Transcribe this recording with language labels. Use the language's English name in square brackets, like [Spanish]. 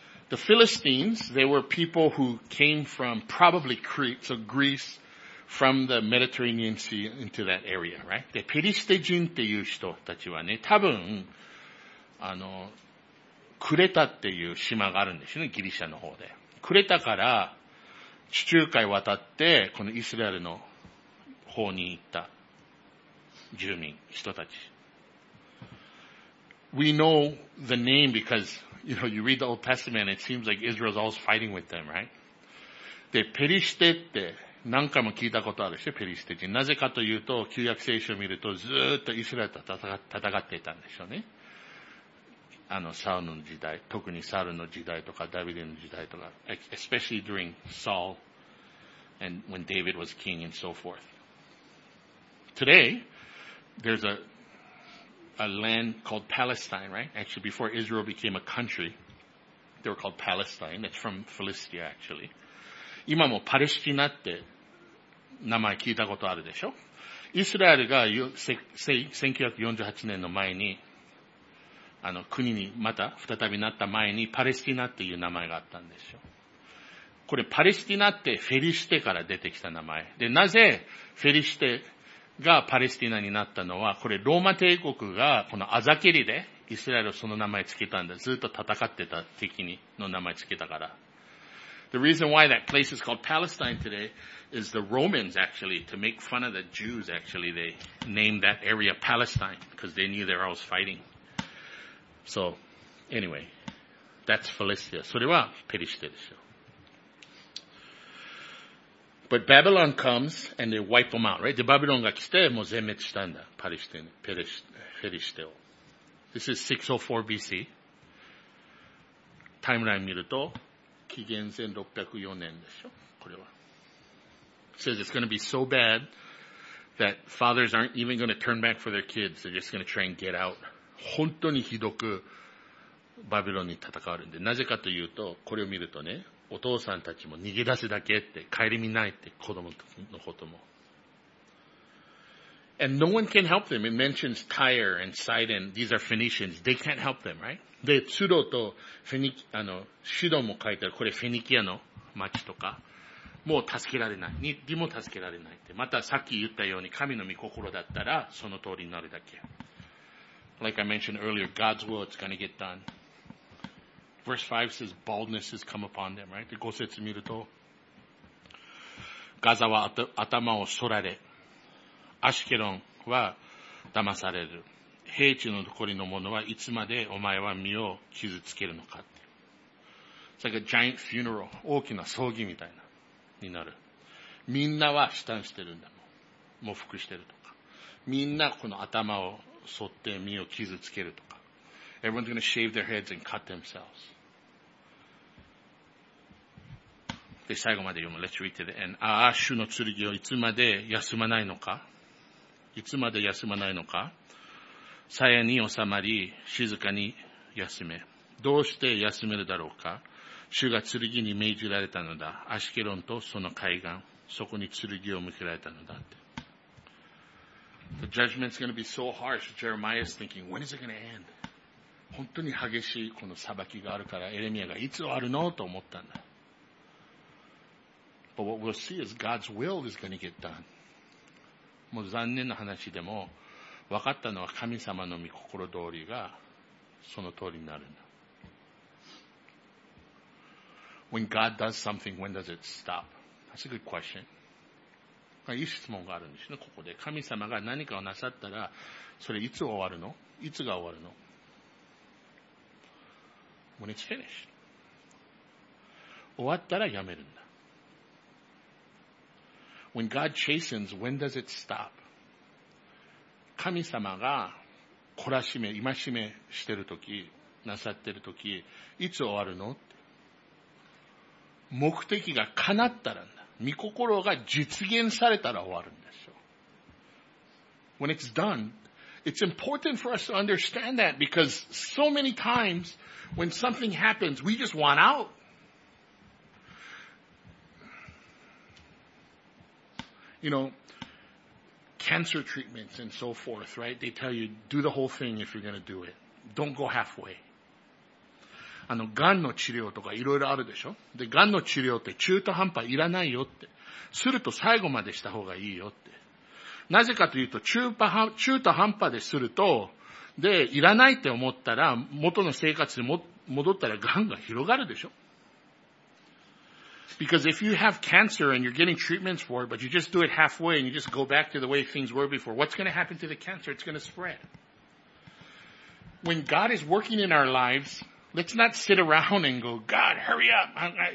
[English] The Philistines, they were people who came from probably Crete, so Greece, from the Mediterranean Sea into that area, right? [Japanese] で、ペリシテ人っていう人たちはね、多分、クレタっていう島があるんですよね、ギリシャの方で。クレタから地中海渡って、このイスラエルの方に行った住民、人たち。 [English] We know the name because, you know, you read the Old Testament, it seems like Israel's always fighting with them, right? [Japanese] で、ペリシテって何回も聞いたことあるし、ペリシテ人。なぜかというと、旧約聖書を見るとずっとイスラエルと戦っていたんでしょうね。サウルの時代、特にサウルの時代とか、ダビデの時代とか、 [English] especially during Saul and when David was king and so forth. Today, there's a land called Palestine, right? Actually, before Israel became a country, they were called Palestine. That's from Philistia, actually. [Japanese] 今もパレスティナって名前聞いたことあるでしょ？イスラエルが1948年の前に、国にまた再びなった前にパレスティナっていう名前があったんですよ。これパレスティナってフェリシテから出てきた名前。で、なぜフェリシテがパレスティナになったのは、これローマ帝国がこのアザケリでイスラエルをその名前つけたんだ。ずっと戦ってた敵にの名前つけたから。 [English] The reason why that place is called Palestine today is the Romans actually, to make fun of the Jews actually, they named that area Palestine because they knew they were always fighting. So, anyway, that's Philistia. [Japanese] それはペリシテでしょ。 [English] But Babylon comes and they wipe them out, right? [Japanese] で、バビロンが来て、もう全滅したんだ。パリシテ、ペリシテを。 [English] This is 604 BC. [Japanese] タイムライン見ると、紀元前604年でしょ、これは。 [English] It says it's going to be so bad that fathers aren't even going to turn back for their kids. They're just going to try and get out. [Japanese] 本当にひどくバビロンに戦われるんで。なぜかというと、これを見るとね、お父さんたちも逃げ出すだけって、帰り見ないって子供のことも。 [English] And no one can help them. It mentions Tyre and Sidon. These are Phoenicians. They can't help them, right? [Japanese] で、ツロとシドンも書いてある。これフェニキアの町とか。もう助けられない。にも助けられないって。またさっき言ったように神の御心だったらその通りになるだけ。 [English] Like I mentioned earlier, God's will is going to get done. Verse 5 says, baldness has come upon them, right? [Japanese] 5節見ると、ガザは頭を剃られ、アシケロンは騙される。平地の残りの者はいつまでお前は身を傷つけるのかって。 [English] It's like a giant funeral. [Japanese] 大きな葬儀みたいな、になる。みんなは悲嘆してるんだもん。喪服してるとか。みんなこの頭を剃って身を傷つけるとか。 [English] Everyone's gonna shave their heads and cut themselves. [Japanese] で、最後まで読む。 [English] Let's read to the end. [Japanese] ああ、主の剣をいつまで休まないのか。いつまで休まないのか。鞘に収まり、静かに休め。どうして休めるだろうか。主が剣に命じられたのだ。アシケロンとその海岸。そこに剣を向けられたのだって。 [English] The judgment's gonna be so harsh. Jeremiah's thinking, when is it gonna end? [Japanese] 本当に激しいこの裁きがあるから、エレミアがいつ終わるのと思ったんだ。 [English] But what we'll see is God's will is gonna get done. [Japanese] もう残念な話でも、分かったのは神様の御心通りがその通りになるんだ。 [English] When God does something, when does it stop? That's a good question. [Japanese] いい質問があるんですね、ここで。神様が何かをなさったら、それいつ終わるの？いつが終わるの？ [English] When it's finished. [Japanese] 終わったらやめるんだ。 [English] When God chastens, when does it stop? [Japanese] 神様が懲らしめ、戒めしてるとき、なさってるとき、いつ終わるの？目的が叶ったらんだ。御心が実現されたら終わるんですよ。 [English] When it's done, it's important for us to understand that because so many times when something happens, we just want out. You know, cancer treatments and so forth, right? They tell you, do the whole thing if you're going to do it. Don't go halfway. [Japanese] 癌の治療とかいろいろあるでしょ。で、癌の治療って中途半端いらないよって。すると最後までした方がいいよって。なぜかというと中途半端ですると、で、いらないって思ったら、元の生活に戻ったら癌が広がるでしょ。 [English] Because if you have cancer and you're getting treatments for it, but you just do it halfway and you just go back to the way things were before, what's going to happen to the cancer? It's going to spread. When God is working in our lives,Let's not sit around and go, God, hurry up.